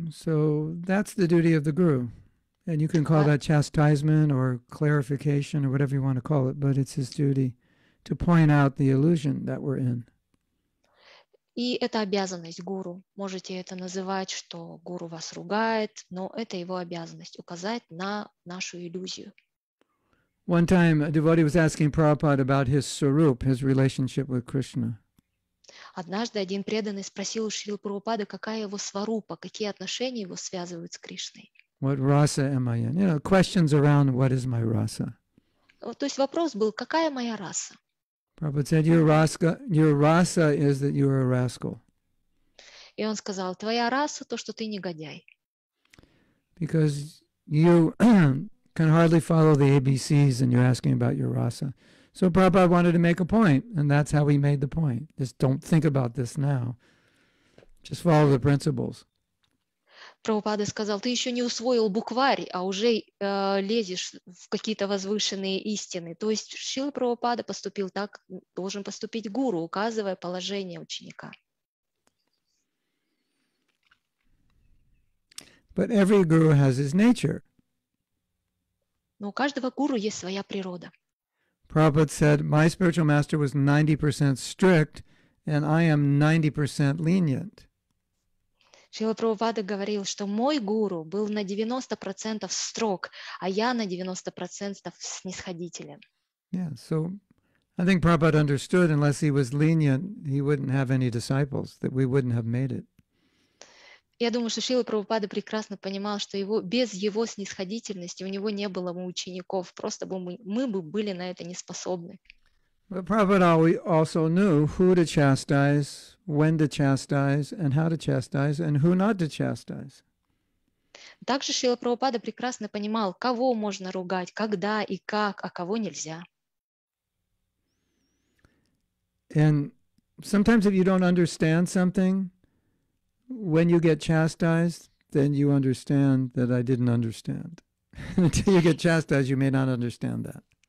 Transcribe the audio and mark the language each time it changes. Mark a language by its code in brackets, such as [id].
[en] So that's the duty of the guru. And you can call that chastisement or clarification or whatever you want to call it, but it's his duty to point out the illusion that we're in. [ru] И это обязанность гуру. Можете это называть, что гуру вас ругает, но это его обязанность — указать на нашу иллюзию. [en] One time a devotee was asking Prabhupada about his sarup, his relationship with Krishna. [ru] Однажды один преданный спросил у Шрилы Прабхупады, какая его сварупа, какие отношения его связывают с Кришной. [en] What rasa am I in? You know, questions around what is my rasa. [ru] То есть вопрос был, какая моя раса? [en] Prabhupada said, your rasa is that you are a rascal. [ru] И он сказал, твоя раса то, что ты негодяй. [en] Because you can hardly follow the ABCs and you're asking about your rasa. So Prabhupada wanted to make a point, and that's how he made the point. Just don't think about this now. Just follow the principles. [ru] Прабхупада сказал, ты еще не усвоил букварь, а уже лезешь в какие-то возвышенные истины. То есть Шрила Прабхупада поступил так, должен поступить гуру, указывая положение ученика. [en] But every guru has his nature. [ru] Но у каждого гуру есть своя природа. [en] Prabhupada said, my spiritual master was 90% strict, and I am 90% lenient. [ru] Шрила Прабхупада говорил, что мой гуру был на 90% строг, а я на 90% снисходителен. [en] Yeah, so I think Prabhupada understood, unless he was lenient, he wouldn't have any disciples, that we wouldn't have made it. [ru] Я думаю, что Шрила Прабхупада прекрасно понимал, что его, без его снисходительности у него не было бы учеников, просто бы мы бы были на это не способны. [en] But Prabhupada also knew who to chastise, when to chastise, and how to chastise, and who not to chastise. [ru] Также Шрила Прабхупада прекрасно понимал, кого можно ругать, когда и как, а кого нельзя. [en] And sometimes if you don't understand something, when you get chastised, then you understand that I didn't understand. Until you get chastised, you may not understand that.